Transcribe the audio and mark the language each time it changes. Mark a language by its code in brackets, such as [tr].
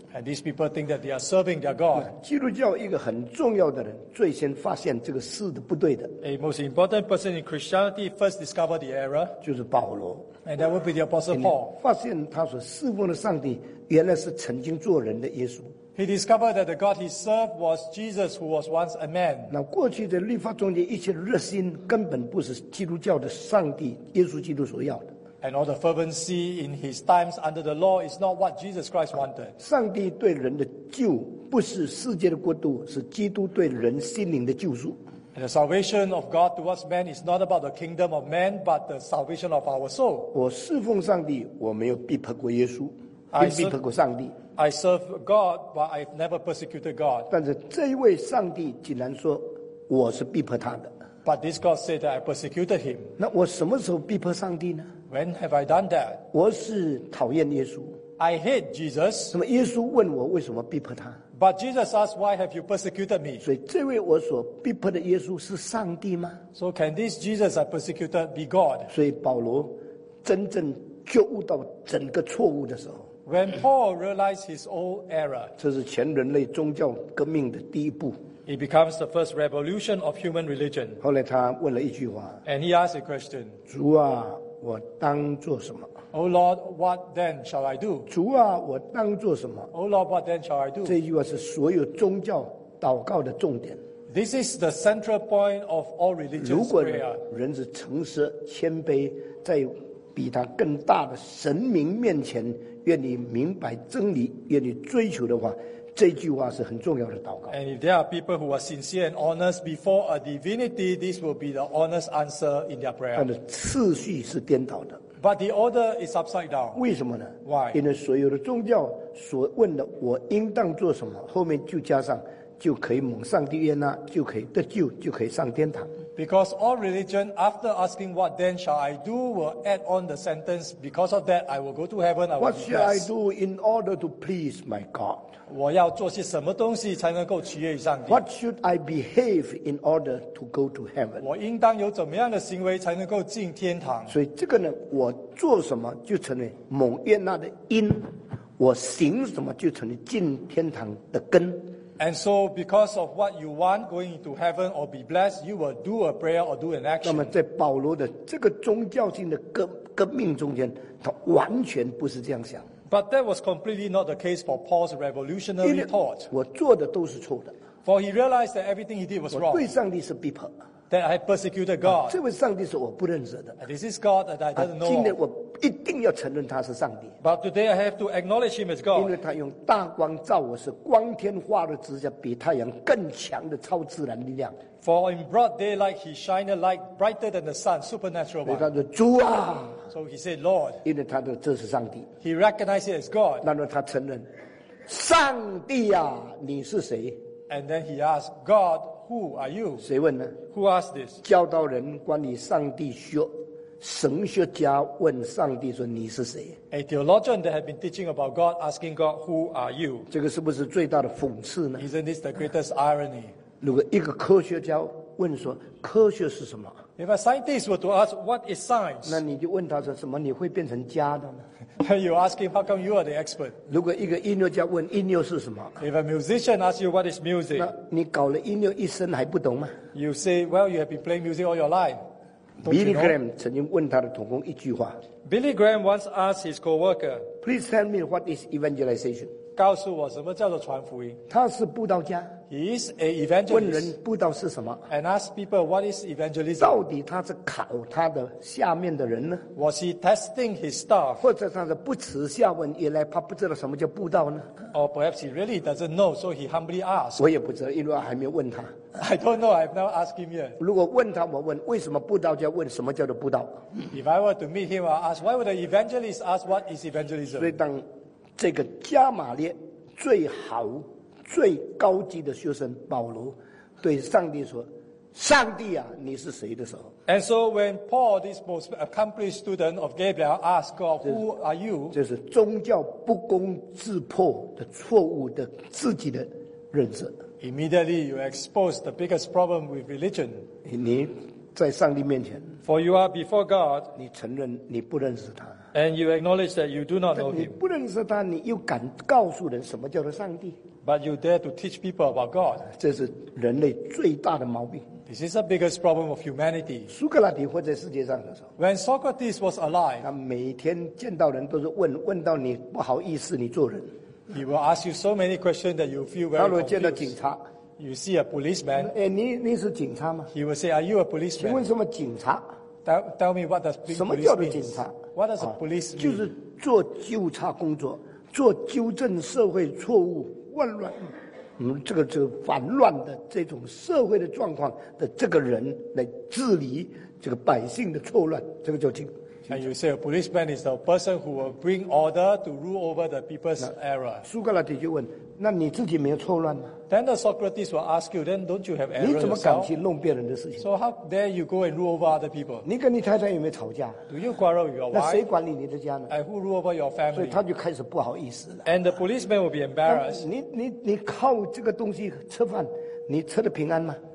[en] And these people think that they are serving their God. [zh] 基督教一个很重要的人，最先发现这个事的不对的。 [en] A most important person in Christianity first discovered the error. [zh] 就是保罗。 [en] And that would be the Apostle Paul. [zh] 发现他所侍奉的上帝原来是曾经做人的耶稣。 [en] He discovered that the God he served was Jesus who was once a man. [zh] 那过去的律法中间一切热心根本不是基督教的上帝耶稣基督所要的。 [en] And all the fervency in his times under the law is not what Jesus Christ wanted. [zh] 上帝对人的救不是世界的国度，是基督对人心灵的救赎。 [en] And the salvation of God towards man is not about the kingdom of man, but the salvation of our soul. [zh] 我侍奉上帝，我没有逼迫过耶稣，并逼迫过上帝。 [en] I serve God, but I've never persecuted God. [zh] 但是这一位上帝竟然说我是逼迫他的。 [en] But this God said that I persecuted him. [zh] 那我什么时候逼迫上帝呢？ [en] When have I done that? [zh] 我是讨厌耶稣。 [en] I hate Jesus. [zh] 那么耶稣问我为什么逼迫他？ [en] But Jesus asked, why have you persecuted me? [zh] 所以这位我所逼迫的耶稣是上帝吗？ [en] So can this Jesus I persecuted be God? [zh] 所以保罗真正觉悟到整个错误的时候， [en] When Paul realized his old error, [zh] 这是前人类宗教革命的第一步。 [en] It becomes the first revolution of human religion. [zh] 后来他问了一句话。 [en] And he asked a question. [zh] 主啊，我当做什么 [en] ？O Lord, what then shall I do? [zh] 主啊，我当做什么 [en] ？O Lord, what then shall I do? [zh] 这句话是所有宗教祷告的重点。 [en] This is the central point of all religious prayer. [zh] 如果人是诚实、谦卑，在比他更大的神明面前。愿你明白真理，愿你追求的话，这句话是很重要的祷告。 [en] And if there are people who are sincere and honest before a divinity, this will be the honest answer in their prayer. [zh] 但是次序是颠倒的。 [en] But the order is upside down. [zh] 为什么呢 [en] ？Why? [zh] 因为所有的宗教所问的我应当做什么，后面就加上就可以蒙上帝悦纳，就可以得救，就可以上天堂。 [en] Because all religion, after asking what then shall I do, will add on the sentence, because of that, I will go to heaven, I will What shall I do in order to please my God? [zh] 我要做些什么东西才能够取悦上帝 [en] What should I behave in order to go to heaven? [zh] 我应当有怎么样的行为才能够进天堂所以这个呢我做什么就成为蒙悦纳的因我行什么就成为进天堂的根 [en] And so, because of what you want, going into heaven or be blessed, you will do a prayer or do an action. [zh] 那么在保罗的这个宗教性的革命中间，他完全不是这样想。 [en] But that was completely not the case for Paul's revolutionary thought. [zh] 我做的都是错的。 [en] For he realized that everything he did was wrong. [zh] 我对上帝是逼迫。 [en] That I persecuted God. [zh] 这位上帝是我不认识的。 [en] This is God that I don't know. [zh] 今天我一定要承认他是上帝。 [en] But today I have to acknowledge him as God. [zh] 因为他用大光照我，是光天化日之下比太阳更强的超自然力量。 [en] For in broad daylight he shined a light brighter than the sun, supernatural one. [zh] 所以他说主啊。 [en] So he said Lord. [zh] 因为他说这是上帝。 [en] He recognized it as God. [zh] 然后他承认。上帝啊，你是谁？ [en] And then he asked, God, who are you? [zh] 谁问呢？ [en] Who asked this? [zh] 教导人关于上帝说，神学家问上帝说，你是谁？ [en] A theologian that had been teaching about God, asking God, who are you? [zh] 这个是不是最大的讽刺呢？ [en] Isn't this the greatest irony? [zh] 如果一个科学家问说，科学是什么？ [en] If a scientist were to ask, what is science? [zh] 那你就问他说，什么你会变成家的呢？ [en] You're asking how come you are the expert. [zh] 如果一个音乐家问音乐是什么， [en] If a musician asks you what is music, [zh] 那你搞了音乐一生还不懂吗？ [en] You say, well, you have been playing music all your life. [zh] Billy Graham 曾经问他的同工一句话。 [en] Billy Graham once asked his co-worker, Please tell me what is evangelization. [zh] 告诉我什么叫做传福音。他是布道家。 [en] He is an evangelist. [zh] 问人布道是什么？ [en] And ask people what is evangelism. [zh] 到底他是考他的下面的人呢？ [en] Was he testing his staff? [zh] 或者他是不耻下问，原来他不知道什么叫布道呢？ [en] Or perhaps he really doesn't know, so he humbly asked. [zh] 我也不知道，因为我还没问他。 [en] I don't know. I've not asked him yet. [zh] 如果问他，我问为什么布道家问什么叫做布道？ [en] If I were to meet him, I'll ask why would an evangelist ask what is evangelism? [zh] 所以当这个加玛列最好。最高级的学生保罗对上帝说，上帝啊，你是谁的时候。 [en] And so when Paul, this most accomplished student of Gabriel, asked God, who are you? [zh] 这是宗教不攻自破的错误的自己的认识。 [en] Immediately you expose the biggest problem with religion. [zh] 你在上帝面前。 [en] For you are before God. [zh] 你承认你不认识他。 [en] And you acknowledge that you do not know him. [zh] 你不认识他，你又敢告诉人什么叫做上帝。 [en] But you dare to teach people about God. [zh] 这是人类最大的毛病。 [en] This is the biggest problem of humanity. [zh] 苏格拉底活在世界上的时候。 [en] When Socrates was alive. [zh] 他每天见到人都是问，问到你不好意思，你做人。 [en] He will ask you so many questions that you feel very confused. [zh] 他如果见到警察。 [en] You see a policeman. [zh] 哎，你是警察吗？ [en] He will say, are you a policeman? [zh] 请问什么警察？ [en] Tell me what does police mean? [zh] 什么叫做警察？ [en] What does a police mean? [zh] 就是做纠察工作，做纠正社会错误。混乱，这个反乱的这种社会的状况的这个人来治理这个百姓的错乱，这个叫警。 [en] And you say a policeman is the person who will bring order to rule over the people's error. [zh] 苏格拉底就问：“那你自己没有错乱吗？” [en] Then the Socrates will ask you, "Then don't you have error?" [zh] 你怎么敢去弄别人的事情 [en] ？So how dare you go and rule over other people? [zh] 你跟你太太有没有吵架 [en] ？Do you quarrel with your wife? [zh] 那谁管理你的家呢 [en] ？And who rule over your family? [zh] 所以他就开始不好意思了。 [en] And the policeman will be embarrassed. [zh] 你靠这个东西吃饭，你吃得平安吗